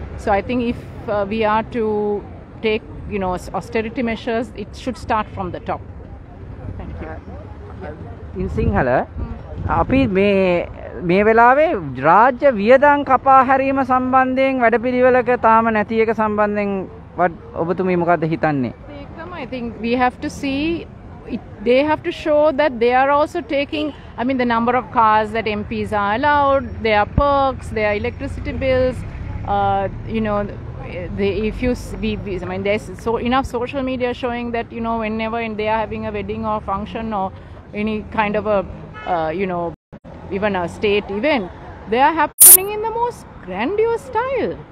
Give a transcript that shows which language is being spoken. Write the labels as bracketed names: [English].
[English] So I think if we are to take, you know, austerity measures, it should start from the top. Thank you. In Sinhala, [Sinhala] අපි මේ වෙලාවේ රාජ්‍ය වියදම් කපා හැරීම සම්බන්ධයෙන් වැඩපිළිවෙලක තාම නැති එක සම්බන්ධයෙන් ඔබතුමී මොකද හිතන්නේ? [English] I think we have to see, they have to show that they are also taking, I mean, the number of cars that MPs are allowed, their perks, their electricity bills, you know, there's so enough social media showing that, you know, whenever they are having a wedding or function or any kind of a, you know, even a state event, they are happening in the most grandiose style.